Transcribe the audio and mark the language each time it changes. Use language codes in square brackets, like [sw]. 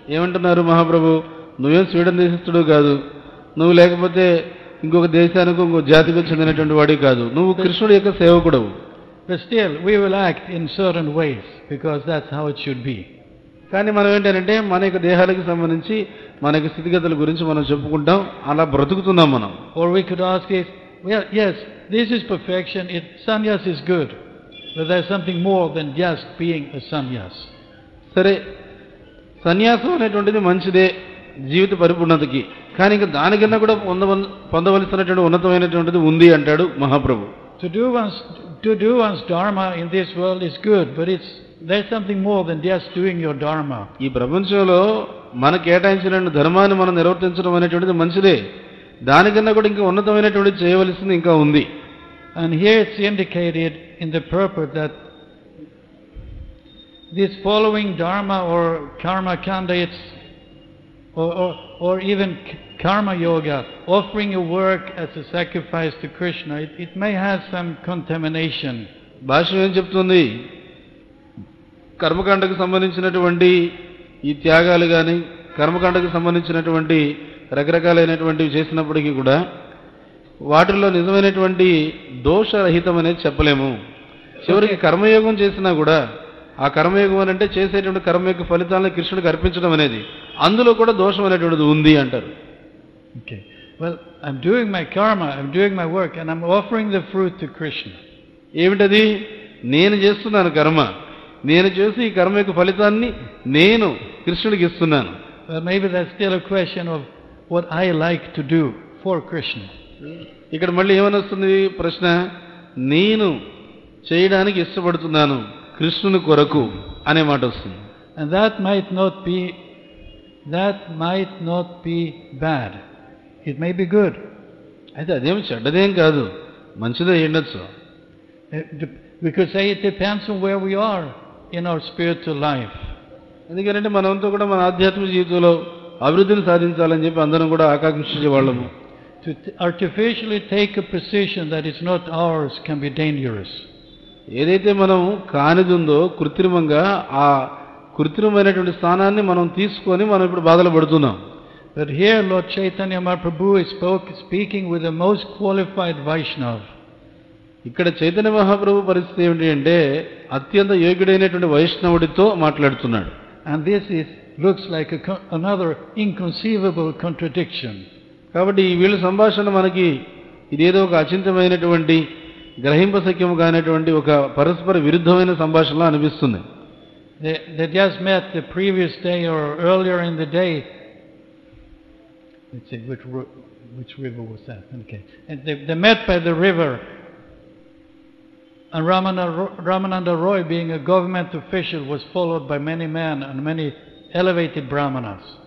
[te] ఏమంటున్నారు మహాప్రభు, నువ్వేం స్వీడన్ దేశస్థుడు కాదు, నువ్వు లేకపోతే ఇంకొక దేశానికి ఇంకొక జాతికి చెందినటువంటి వాడి కాదు, నువ్వు కృష్ణుడు యొక్క సేవకుడవు. [en] Still we will act in certain ways because that's how it should be. [te] కానీ మనం ఏంటంటే మన యొక్క దేహాలకు సంబంధించి మన యొక్క స్థితిగతుల గురించి మనం చెప్పుకుంటాం, అలా బ్రతుకుతున్నాం మనం. [en] Are we could ask is yes, this is perfection, it sannyas is good, but there's something more than just being a sannyas. [te] సరే సన్యాసం అనేటువంటిది మంచిదే జీవిత పరిపూర్ణతకి, కానీ ఇంకా దానికన్నా కూడా పొందవలసినటువంటి ఉన్నతమైనటువంటిది ఉంది అంటాడు మహాప్రభు. [en] To do one's dharma in this world is good, but it's there something more than just doing your dharma. [te] ఈ ప్రపంచంలో మన కేటాయించిన ధర్మాన్ని మనం నిర్వర్తించడం అనేటువంటిది మంచిదే, దానికన్నా కూడా ఇంకా ఉన్నతమైనటువంటి చేయవలసింది ఇంకా ఉంది. [en] And here it's indicated in the proper that this following dharma or karma kanda, it's or even karma yoga, offering your work as a sacrifice to Krishna, it may have some contamination. [te] Bhashyam em cheptundi karma kanda ki sambandhinchinatuvandi ee tyagalu gaani karma kanda ki sambandhinchinatuvandi ragrakalainatuvandi chesinappudiki kuda vaatrilo nijamainatuvandi dosha rahitam ane cheppalemu chivariki karmayogam chesina kuda ఆ కర్మయోగం అని అంటే చేసేటువంటి కర్మ యొక్క ఫలితాలను కృష్ణుడికి అర్పించడం అనేది, అందులో కూడా దోషం అనేటువంటిది ఉంది అంటారు. [en] Okay, well I'm doing my karma, I'm doing my work and I'm offering the fruit to Krishna. [te] ఏమిటది, నేను చేస్తున్నాను కర్మ, నేను చేసి ఈ కర్మ యొక్క ఫలితాన్ని నేను కృష్ణుడికి ఇస్తున్నాను. [en] Maybe that's still a question of what I like to do for Krishna. [te] ఇక్కడ మళ్ళీ ఏమని వస్తుంది ప్రశ్న, నేను చేయడానికి ఇష్టపడుతున్నాను కృష్ణుని కొరకు అనే మాట వస్తుంది. [en] And that might not be bad, it may be good. [te] అయితే అదేమి చెడ్డదేం కాదు, మంచిదే ఉండొచ్చు. [en] We could say it depends on where we are in our spiritual life. [te] ఎందుకంటే మనంతా కూడా మన ఆధ్యాత్మిక జీవితంలో అభివృద్ధిని సాధించాలని చెప్పి అందరం కూడా ఆకాంక్షించే వాళ్ళము. [en] To artificially take a position that is not ours can be dangerous. [te] ఏదైతే మనం కానిదుందో కృత్రిమంగా ఆ కృత్రిమైనటువంటి స్థానాన్ని మనం తీసుకొని మనం ఇప్పుడు బాధలు పడుతున్నాం. [en] But here Lord Chaitanya Mahaprabhu is speaking with the most qualified Vaishnava. [te] ఇక్కడ చైతన్య మహాప్రభు పరిస్థితి ఏంటంటే అత్యంత యోగ్యుడైనటువంటి వైష్ణవుడితో మాట్లాడుతున్నాడు. [en] And this is looks like another inconceivable contradiction. [te] కాబట్టి ఈ వీళ్ళ సంభాషణ మనకి ఇదేదో ఒక అచింతమైనటువంటి గ్రహింపశక్యం కానటువంటి ఒక పరస్పర విరుద్ధమైన సంభాషణ అనిపిస్తుంది. [en] They just met the previous day or earlier in the day. Let's see, which river was that? Okay. And they met by the river. And Ramananda Roy, being a government official, was followed by many men and many elevated brahmanas.